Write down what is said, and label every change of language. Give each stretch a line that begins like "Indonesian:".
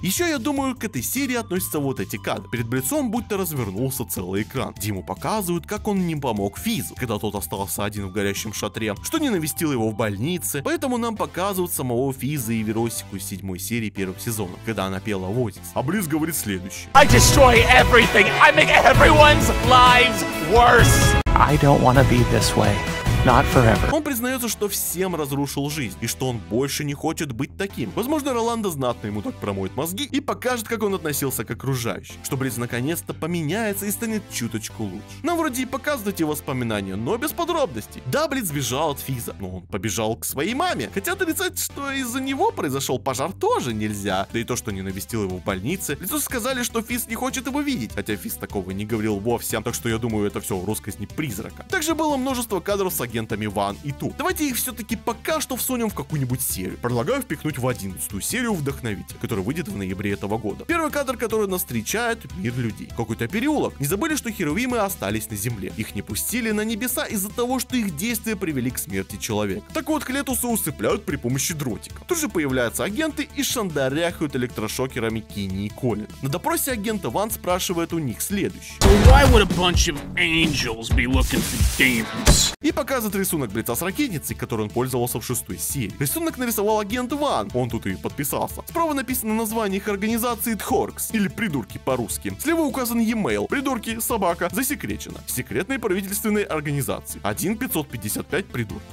Russian: Еще я думаю, к этой серии относятся вот эти кадры. Перед Блицом будто развернулся целый экран. Диму показывают, как он не помог Физу, когда тот остался один в горящем шатре, что не навестил его в больнице, поэтому нам показывают самого Физа и Веросику из 7-й серии 1-го сезона, когда она пела в Озис. А Блиц говорит следующее.
English: I destroy everything. I make everyone's lives worse. I don't wanna be this way. Not forever.
Russian: Он признается, что всем разрушил жизнь, и что он больше не хочет быть таким. Возможно, Роланда знатно ему так промоет мозги и покажет, как он относился к окружающим, что Блиц наконец-то поменяется и станет чуточку лучше. Нам вроде и показывают его воспоминания, но без подробностей. Да, Блиц бежал от Физа, но он побежал к своей маме. Хотя отрицать, что из-за него произошел пожар, тоже нельзя. Да и то, что не навестил его в больнице. Блицу сказали, что Физ не хочет его видеть, хотя Физ такого не говорил вовсе. Так что я думаю, это все роскозни призрака. Также было множество кадров с агентами Ван и Ту. Давайте их все-таки пока что всунем в какую-нибудь серию. Предлагаю впихнуть в 11-ю серию «Вдохновитель», которая выйдет в ноябре этого года. Первый кадр, который нас встречает, мир людей. Какой-то переулок. Не забыли, что херувимы остались на земле. Их не пустили на небеса из-за того, что их действия привели к смерти человека. Так вот, Клетуса усыпляют при помощи дротика. Тут же появляются агенты и шандаряхают электрошокерами Кинни и Колин. На допросе агента Ван спрашивает у них следующее.
English: So why would a bunch of angels be looking for demons?
Russian: И показывает рисунок Блица с ракетницей, который он пользовался в 6-й серии. Рисунок нарисовал агент Ван, он тут и подписался. Справа написано название их организации Тхоркс, или придурки по-русски. Слева указан e-mail, придурки, собака, засекречено. Секретные правительственные организации, 1-555 придурки.